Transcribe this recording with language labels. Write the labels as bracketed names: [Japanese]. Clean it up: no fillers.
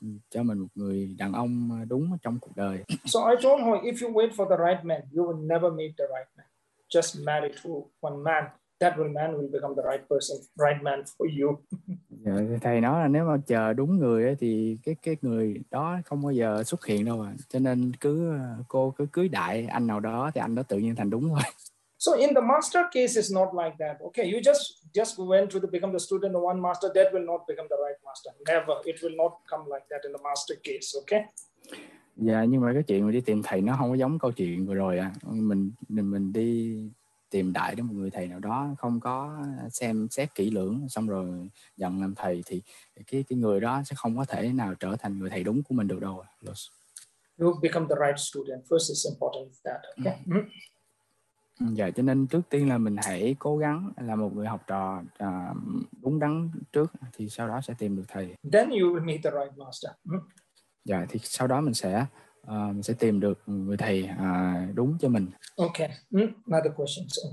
[Vietnamese] cho mình một người đàn ông đúng trong cuộc đời. [English] So I told her, if you wait for the right man, you will never meet the right man. Just marry to one man. That one man will become the right person, right man for you. [Vietnamese] Thầy nói là nếu mà chờ đúng người ấy, thì cái người đó không bao giờ xuất hiện đâu mà. Cho nên cứ cô cứ cưới đại anh nào đó thì anh đó tự nhiên thành đúng rồi. [English] So in the master case it's not like that. Okay, you just went to become the student of one master, that will not become the right master. Never. It will not come like that in the master case, okay? [Vietnamese] Dạ, nhưng mà cái chuyện mình đi tìm thầy nó không có giống câu chuyện vừa rồi ạ. À. Mình đi tìm đại đến một người thầy nào đó không có xem xét kỹ lưỡng xong rồi nhận làm thầy thì cái người đó sẽ không có thể nào trở thành người thầy đúng của mình được đâu. [English] You become the right student first is important that. Okay. [Vietnamese] Dạ, cho nên trước tiên là mình hãy cố gắng là một người học trò đúng đắn trước thì sau đó sẽ tìm được thầy. [English] Then you will meet the right master. [Vietnamese] Dạ, thì sau đó mình sẽ tìm được người thầy đúng cho mình. [English] Okay. Another question.